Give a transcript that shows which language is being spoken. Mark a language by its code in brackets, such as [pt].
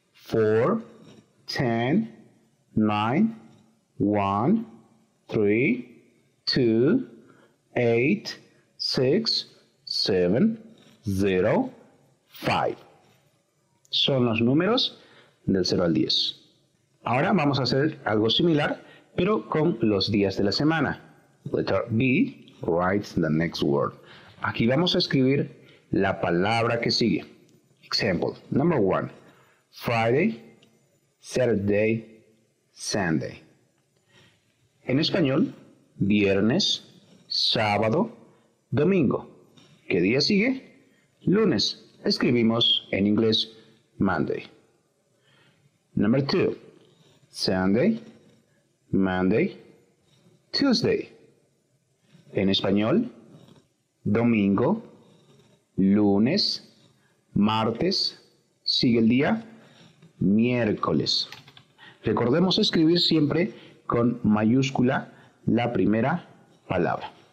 [en] 4, 10, 9, 1, 3, 2, 8, 6, 7, 0, 5. [es] Son los números del 0 al 10. Ahora vamos a hacer algo similar, pero con los días de la semana. [en] Letter B, write the next word. [es] Aquí vamos a escribir la palabra que sigue. [en] Example, number one, Friday, Saturday, Sunday. [es] En español, viernes, sábado, domingo. ¿Qué día sigue? Lunes. Escribimos en inglés, Monday. [en] Number two, Sunday, Monday, Tuesday. [es] En español, domingo, lunes, martes, sigue el día, miércoles. Recordemos escribir siempre con mayúscula la primera palabra.